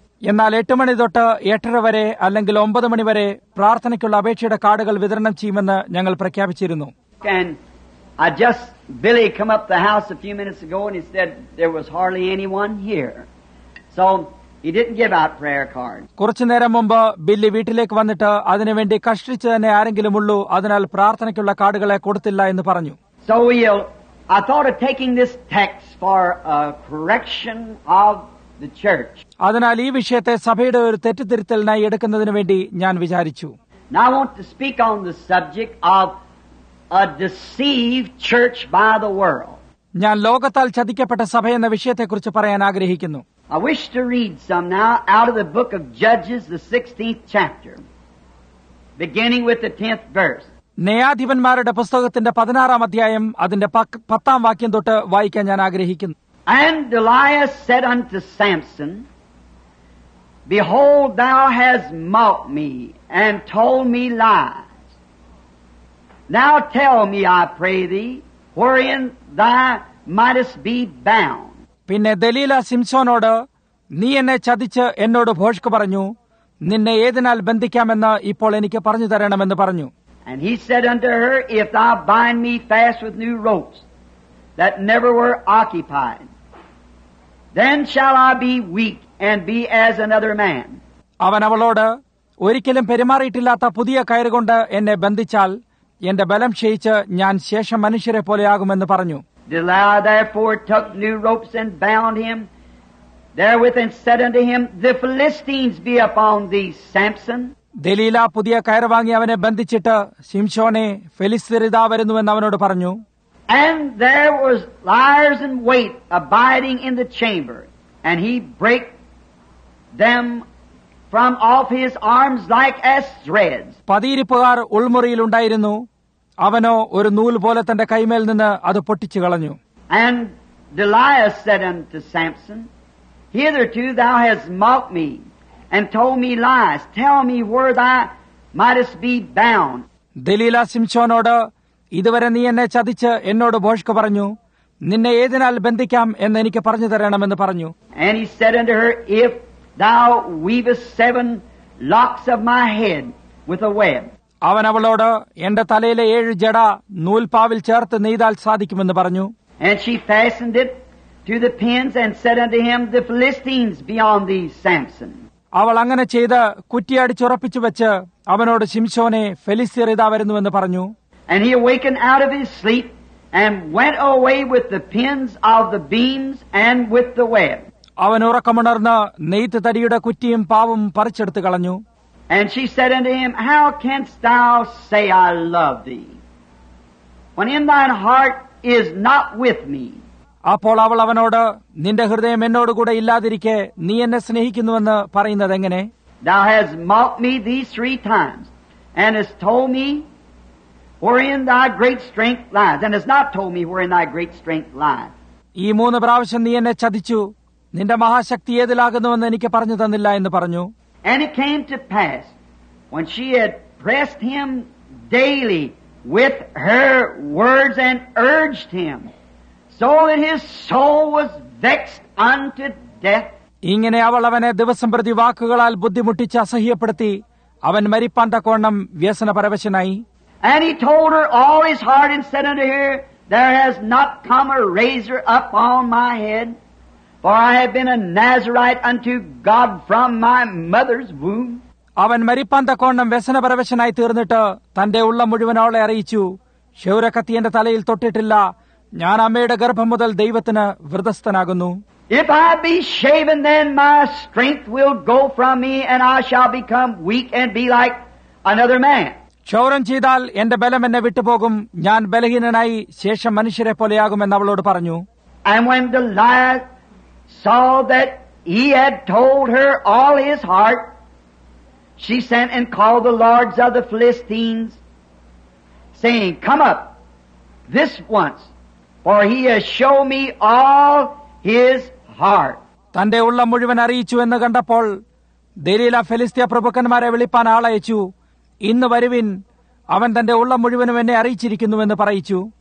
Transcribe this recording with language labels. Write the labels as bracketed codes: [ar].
[ml] എന്നാൽ 8 മണി തൊട്ട് 8:30 വരെ അല്ലെങ്കിൽ 9 മണി വരെ പ്രാർത്ഥനയ്ക്കുള്ള അപേക്ഷയുടെ കാർഡുകൾ വിതരണം ചെയ്യുമെന്ന് ഞങ്ങൾ പ്രഖ്യാപിച്ചിരുന്നു. [en] I just Billy come up the house a few minutes ago and he said there was hardly anyone here. So he didn't give out prayer cards. [ml] കുറച്ച് നേരം മുമ്പ് ബില്ലി വീട്ടിലേക്ക് വന്നിട്ട് അതിനു വേണ്ടി കഷ്ടിച്ചു തന്നെ ആരെങ്കിലും ഉള്ളൂ, അതിനാൽ പ്രാർത്ഥനയ്ക്കുള്ള കാർഡുകളെ കൊടുത്തില്ല എന്ന് പറഞ്ഞു. [en] So I thought of taking this text for a correction of the church. [ml] അതിനാൽ ഈ വിഷയത്തെ സഭയുടെ ഒരു തെറ്റുതിരുത്തലിനായി എടുക്കുന്നതിനു വേണ്ടി ഞാൻ വിചാരിച്ചു. [en] Now I want to speak on the subject of a deceived church by the world. [ml] ഞാൻ ലോകത്താൽ ചതിക്കപ്പെട്ട സഭ എന്ന വിഷയത്തെക്കുറിച്ച് പറയാൻ ആഗ്രഹിക്കുന്നു. [en] I wish to read some now out of the book of Judges, the 16th chapter, beginning with the 10th verse. [ml] ന്യായാധിപന്മാരുടെ പുസ്തകത്തിന്റെ 16 അധ്യായം അതിന്റെ 10 വാക്യം തൊട്ട് വായിക്കാൻ ഞാൻ ആഗ്രഹിക്കുന്നു. [en] And Delilah said unto Samson, Behold, thou hast mocked me and told me lies. Now tell me, I pray thee, wherein thou mightest be bound. [ml] പിന്നെ ദലീല സിംസോനോട്, നീ എന്നെ ചതിച്ച് എന്നോട് ഭോഷ്ക് പറഞ്ഞു, നിന്നെ ഏതിനാൽ ബന്ധിക്കാമെന്ന് ഇപ്പോൾ എനിക്ക് പറഞ്ഞു തരണമെന്ന് പറഞ്ഞു. [en] And he said unto her, If thou bind me fast with new ropes that never were occupied, then shall I be weak and be as another man. [ml] അവൻ അവളോട്, ഒരിക്കലും പെരുമാറിയിട്ടില്ലാത്ത പുതിയ കയറുകൊണ്ട് എന്നെ ബന്ധിച്ചാൽ എന്റെ ബലം ക്ഷയിച്ച് ഞാൻ ശേഷം മനുഷ്യരെ പോലെയാകുമെന്ന് പറഞ്ഞു. [en] Delilah therefore took new ropes and bound him therewith and said unto him, The Philistines be upon thee, Samson. [ml] Delilah പുതിയ കയറ് വാങ്ങി അവനെ ബന്ധിച്ചിട്ട് ശിംശോനെ, ഫെലിസ്തീരിതാ വരുന്നുവെന്ന് അവനോട് പറഞ്ഞു. [en] And there was liers in wait abiding in the chamber, and he brake them from off his arms like as threads. [ml] പതിയിരിപ്പുകാർ ഉൾമുറിയിൽ ഉണ്ടായിരുന്നു, അവനോ ഒരു നൂൽ പോലെ തന്റെ കൈമേൽ നിന്ന് അത് പൊട്ടിച്ചു കളഞ്ഞു. [en] And Delilah said unto Samson, Hitherto thou hast mocked me and told me lies. Tell me where thou mightest be bound. [ml] Delilah ശിംശോനോട്, ഇതുവരെ നീ എന്നെ ചതിച്ച് എന്നോട് ഭോഷ്ക് പറഞ്ഞു, നിന്നെ ഏതിനാൽ ബന്ധിക്കാം എന്ന് എനിക്ക് പറഞ്ഞു തരണമെന്ന് പറഞ്ഞു. [en] And he said unto her, If thou weavest 7 locks of my head with a web. [ml] അവൻ അവളോട്, എന്റെ തലയിലെ 7 ജട നൂൽപാവിൽ ചേർത്ത് നെയ്താൽ സാധിക്കുമെന്ന് പറഞ്ഞു. [en] And she fastened it to the pins and said unto him, The Philistines be on thee, Samson. [ml] അവൾ അങ്ങനെ ചെയ്ത് കുറ്റിയടിച്ചുറപ്പിച്ചു വെച്ച് അവനോട്, ശിംശോനെ, ഫെലിസ്തീർ ഇതാ വരുന്നുവെന്ന് പറഞ്ഞു. [en] And he awakened out of his sleep and went away with the pins of the beams and with the web. [ml] അവൻ ഉറക്കമുണർന്ന് നെയ്ത്ത് തടിയുടെ കുറ്റിയും പാവും പറിച്ചെടുത്ത് കളഞ്ഞു. [en] And she said unto him, How canst thou say I love thee, when in thine heart is not with me? [ml] അപ്പോൾ അവൾ അവനോട്, നിന്റെ ഹൃദയം എന്നോടുകൂടെ ഇല്ലാതിരിക്കെ നീ എന്നെ സ്നേഹിക്കുന്നുവെന്ന് പറയുന്നത് എങ്ങനെ? [en] Thou hast mocked me these 3 times, and hast told me wherein thy great strength lies, and hast not told me wherein thy great strength lies. [ml] ഈ 3 പ്രാവശ്യം നീ എന്നെ ചതിച്ചു, നിന്റെ മഹാശക്തി ഏതിലാകുന്നുവെന്ന് എനിക്ക് പറഞ്ഞു തന്നില്ല എന്ന് പറഞ്ഞു. [en] And it came to pass, when she had pressed him daily with her words and urged him, so that his soul was vexed unto death. [ml] ഇങ്ങനെ അവൾ അവനെ ദിവസം പ്രതി വാക്കുകളാൽ ബുദ്ധിമുട്ടിച്ച് അസഹ്യപ്പെടുത്തി. അവൻ മരിപ്പാൻ തക്കോണ്ണം വ്യസന പരവശനായി. [en] And he told her all his heart and said unto her, There has not come a razor up on my head, for I have been a Nazarite unto God from my mother's womb. [ml] അവൻ മരിപ്പാൻ തക്കോണ്ണം വ്യസനപരവശനായി തീർന്നിട്ട് തന്റെ ഉള്ളം മുഴുവൻ അവളെ അറിയിച്ചു, ക്ഷൗരക്കത്തി എന്റെ തലയിൽ തൊട്ടിട്ടില്ല, ഞാൻ അമ്മയുടെ ഗർഭം മുതൽ ദൈവത്തിന് വ്രതസ്ഥനാകുന്നു. [en] If I be shaven, then my strength will go from me, and I shall become weak and be like another man. [ml] ക്ഷൗരം ചെയ്താൽ എന്റെ ബലം എന്നെ വിട്ടുപോകും, ഞാൻ ബലഹീനനായി ശേഷം മനുഷ്യരെ പോലെയാകുമെന്ന് അവളോട് പറഞ്ഞു. [en] And when the lad saw that he had told her all his heart, She sent and called the lords of the Philistines, saying, Come up this once, for he has shown me all his heart. [ml] തന്റെ ഉള്ളം മുഴുവൻ അറിയിച്ചു എന്ന് കണ്ടപ്പോൾ ദലീല ഫെലിസ്തീയ പ്രഭുക്കന്മാരെ വിളിപ്പാൻ ആളയച്ചു. ഇന്ന് വരുവിൻ, അവൻ തന്റെ ഉള്ളം മുഴുവനും എന്നെ അറിയിച്ചിരിക്കുന്നുവെന്ന് പറയിച്ചു.